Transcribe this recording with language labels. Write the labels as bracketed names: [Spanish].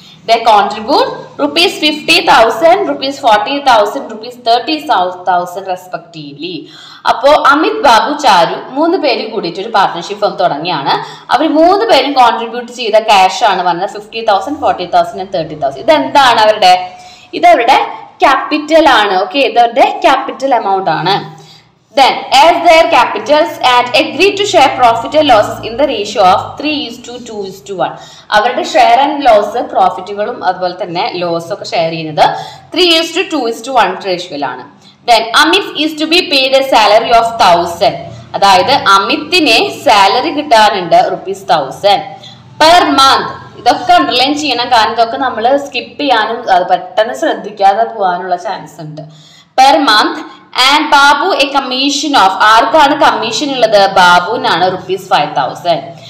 [English] They contribute rupees 50,000, rupees 40,000, rupees 30,000 respectively. [Malayalam] അപ്പോ അമിത് ബാബു ചാരു മൂന്ന് പേര് കൂടിയിട്ട് ഒരു പാർട്ട്നർഷിപ്പ് ഫേം തുടങ്ങിയാണ്. അവർ മൂന്ന് പേരും കോൺട്രിബ്യൂട്ട് ചെയ്ത ക്യാഷ് ആണ് പറഞ്ഞത് 50,000, 40,000 ആൻഡ് 30,000. ഇതെന്താണ് അവരുടെ, ഇതവരുടെ ക്യാപിറ്റൽ ആണ്. ഓക്കെ, ഇതവരുടെ ക്യാപിറ്റൽ എമൗണ്ട് ആണ്. [English] Then, as their capitals and agreed to share profit and losses in the ratio of 3:2:1. [Malayalam] അവരുടെ ഷെയർ ആൻഡ് ലോസ്, പ്രോഫിറ്റുകളും അതുപോലെ തന്നെ ലോസ് ഒക്കെ ഷെയർ ചെയ്യുന്നത് 3:2:1 റേഷ്യോയിലാണ്. [English] Then, Amit is to be paid a salary of 1,000. [Malayalam] അതായത് അമിത്തിനെ salary കിട്ടാനുണ്ട് rupees 1,000 per month. ഇതൊക്കെ underline ചെയ്യണം, കാരണം ഇതൊക്കെ നമ്മൾ സ്കിപ്പ് ചെയ്യാനും അത് പെട്ടെന്ന് ശ്രദ്ധിക്കാതെ പോകാനുള്ള ചാൻസ് ഉണ്ട്. Per month. [English] And Babu a commission of, [Malayalam] ആർക്കാണ് കമ്മീഷൻ ഉള്ളത്, ബാബുവിനാണ് റുപ്പീസ് 5,000.